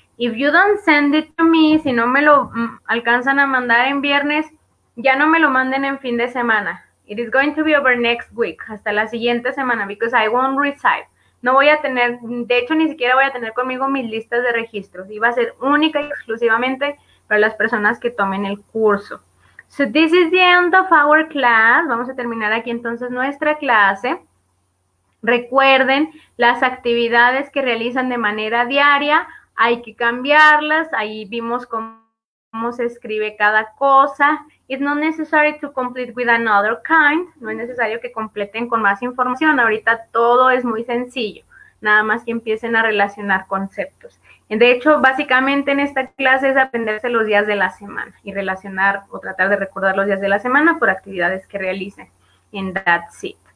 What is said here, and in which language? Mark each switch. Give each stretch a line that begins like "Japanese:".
Spanish: If you don't send it to me, si no me lo alcanzan a mandar en viernes, ya no me lo manden en fin de semana.
English: It is going to be over next week, hasta la siguiente semana, because I won't receive.
Spanish: No voy a tener, de hecho, ni siquiera voy a tener conmigo mis listas de registros. Y va a ser única y exclusivamente para las personas que tomen el curso.
English: So this is the end of our class.
Spanish: Vamos a terminar aquí entonces nuestra clase. Recuerden, las actividades que realizan de manera diaria hay que cambiarlas. Ahí vimos cómo se escribe cada cosa.
English: It's not necessary to complete with another kind.
Spanish: No es necesario que completen con más información. Ahorita todo es muy sencillo. Nada más que empiecen a relacionar conceptos. De hecho, básicamente en esta clase es aprenderse los días de la semana y relacionar o tratar de recordar los días de la semana por actividades que realicen. And that's it.